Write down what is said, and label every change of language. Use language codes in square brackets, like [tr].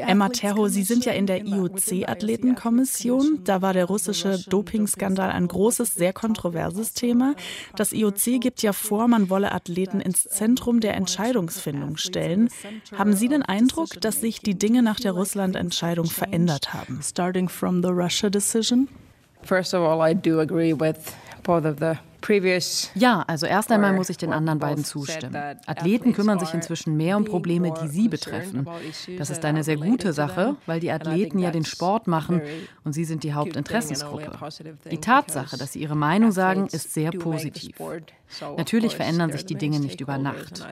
[de] Emma Terho, Sie sind ja in der IOC-Athletenkommission. Da war der russische Dopingskandal ein großes, sehr kontroverses Thema. Das IOC gibt ja vor, man wolle Athleten ins Zentrum der Entscheidungsfindung stellen. Haben Sie den Eindruck, dass sich die Dinge nach der Russland-Entscheidung verändert haben? [en] Starting from the Russia decision. First of all, I do agree with both of the. [de] Ja, also erst einmal muss ich den anderen beiden zustimmen. Athleten kümmern sich inzwischen mehr um Probleme, die sie betreffen. Das ist eine sehr gute Sache, weil die Athleten ja den Sport machen und sie sind die Hauptinteressensgruppe. Die Tatsache, dass sie ihre Meinung sagen, ist sehr positiv. Natürlich verändern sich die Dinge nicht über Nacht.